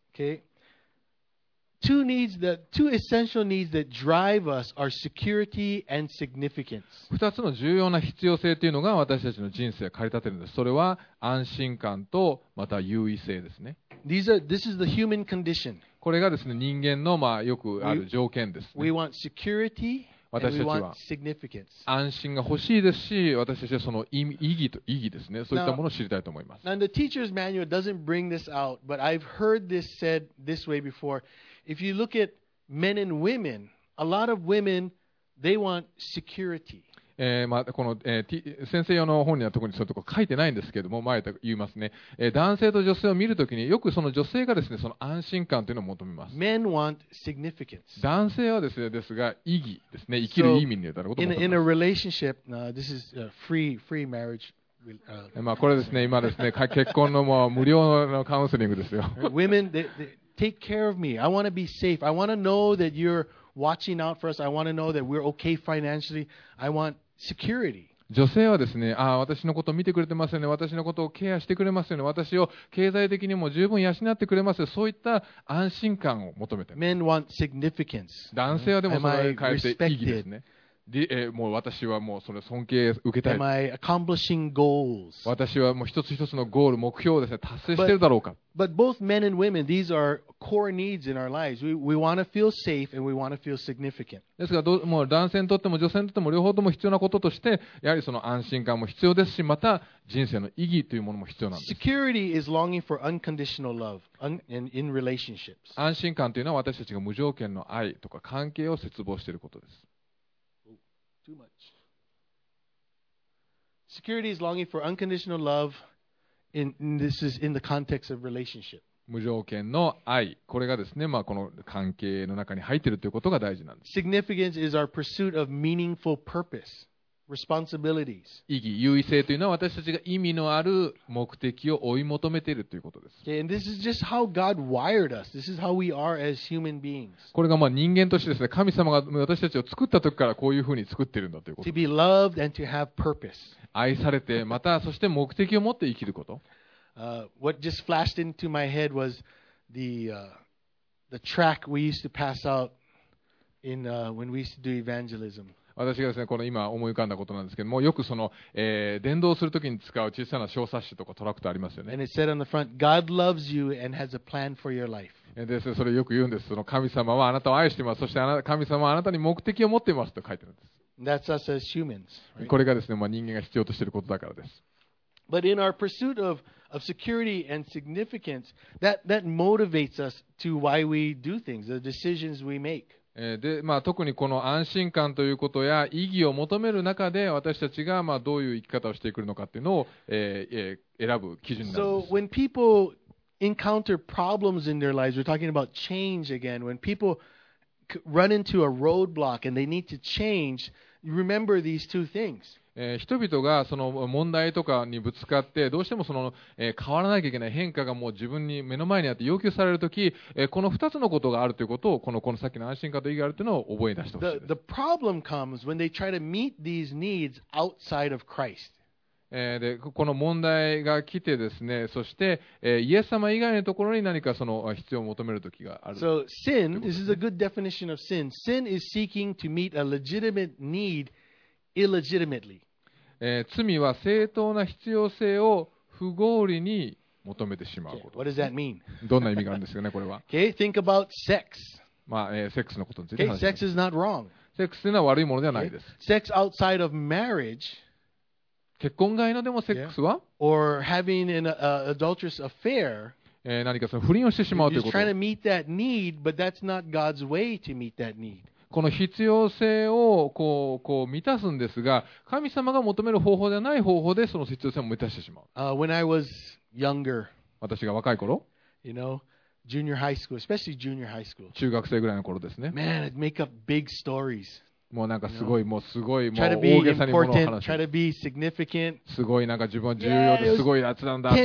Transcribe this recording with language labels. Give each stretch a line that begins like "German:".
English: Okay. Two essential needs that drive us are security and significance.
Japanese: 2つの重要な必要性というのが私たちの人生を駆り立てるんです。それは安心感とまた優位性ですね。
English: This is the human condition.
Japanese: これがですね、人間のまあよくある条件です、ね。
English: We want security.
Japanese: 私たちは安心が欲しいですし、私たちはその意義ですね、そういったものを知りたいと思います。
English: Now, the teacher's manual doesn't bring this out, but I've heard this said this way before. If you look at men and women, a lot of women, they want security.
Japanese: 先生用の本には特にそういうところ書いてないんですけれども、前と言いますね、男性と女性を見るときによくその女性がですね、その安心感というのを求めます。
English: Men want significance.
Japanese: 男性はですね、ですが意義ですね、生きる意味に至ることを求めます。
English: In a relationship, this is a free marriage,
Japanese: これですね、今ですね、結婚のもう無料のカウンセリングですよ。
English: Women, they take care of me. I want to be safe. I want to know that you'reWatching out for us, I want to know that we're okay financially. I want security.
Japanese: 女性はですね、私のことを見てくれてますよね、私のことをケアしてくれますよね、私を経済的にも十分養ってくれますよ、そういった安心感を求めています。
English: Men want significance.
Japanese: 男性はでもそれに変えて意義ですね。で、もう私はもうそれ尊敬受けたい。
English: Am I accomplishing goals?
Japanese: 私はもう一つ一つのゴール、目標をですね、達成してるだろうか。
English: But both men and women, these are core needs in our lives. We want to feel safe and we want to feel significant.
Japanese: ですが、もう男性にとっても女性にとっても両方とも必要なこととして、やはりその安心感も必要ですし、また人生の意義というものも必要なんです。
English: Security is longing for unconditional love in relationships.
Japanese: 安心感というのは私たちが無条件の愛とか関係を切望していることです。
English: Too much. Security is longing for unconditional love. This is in the context of relationship.
Japanese: 無条件の愛、これがですね、まあこの関係の中に入っているということが大事なんです。
English: Significance is our pursuit of meaningful purpose, responsibilities.
Japanese: 意義、優位性というのは私たちが意味のある目的を追い求めているということです。
English: Okay, and this is just how God wired us. This is how we are as human beings.
Japanese: これがまあ人間としてですね、神様が私たちを作った時からこういうふうに作っているんだということです。
English: To be loved and to have purpose.
Japanese: 愛されて、またそして目的を持って生きること。
English: What just flashed into my head was the track we used to pass out in when we used to do evangelism.
Japanese: 私がですね、この今思い浮かんだことなんですけども、よくその、伝道するときに使う小さな小冊子とかトラクターありますよね。
English: And it said on the front, God loves you and has a plan for your life.
Japanese: で、それよく言うんです。その神様はあなたを愛しています。そして神様はあなたに目的を持っていますと書いてるんです。
English: That's us as humans, right?
Japanese: これがですね、まあ人間が必要としていることだからです。
English: But in our pursuit of security and significance, that motivates us to why we do things, the decisions we make.
Japanese: で、まあ、特にこの安心感ということや意義を求める中で私たちがまあどういう生き方をしていくのかっていうのを、選ぶ基準になります。
English: So when people encounter problems in their lives, we're talking about change again. When people run into a roadblock and they need to change, remember these two things.
Japanese: 人々がその問題とかにぶつかって、どうしてもその、変わらなきゃいけない変化がもう自分に目の前にあって要求されるとき、この2つのことがあるということを、このさっきの安心感と意義があるというのを覚え出してほしいです。
English: The problem comes when they try to meet these needs outside of Christ.
Japanese: でこの問題が来てですね、そして、イエス様以外のところに何かその必要を求めるときがある。
English: So sin, this is a good definition of sin. Sin is seeking to meet a legitimate need. Illegitimately.
Japanese: 罪は正当な必要性を不合理に求めてしまうこと。
English: Okay. What does that mean?
Japanese: どんな意味があるんですかね、これは。
English: Okay, think about sex.
Japanese: まあ、セックスのことについて話します。
English: Okay, sex is not wrong.
Japanese: セックスというのは悪いものではないです。
English: Okay. Sex outside of marriage.
Japanese: 結婚外のでもセックスは、
English: yeah. Or having an adulterous affair.
Japanese: 何かその不倫をしてしまうということ。
English: You're trying to meet that need, but that's not God's way to meet that need.
Japanese: この必要性をこう満たすんですが、神様が求める方法ではない方法でその必要性を満たしてしまう。
English: When I was younger,
Japanese: 私が若い頃、
English: you know, junior high school, especially junior high school,
Japanese: 中学生ぐらいの頃ですね。
English: Man, I'd make up big stories.
Japanese: もうなんかすごい、もうすごい、もう大げさにものを話す。
English: Try to be important, try to be significant.
Japanese: すごいなんか自分は重要ですごいやつなんだって。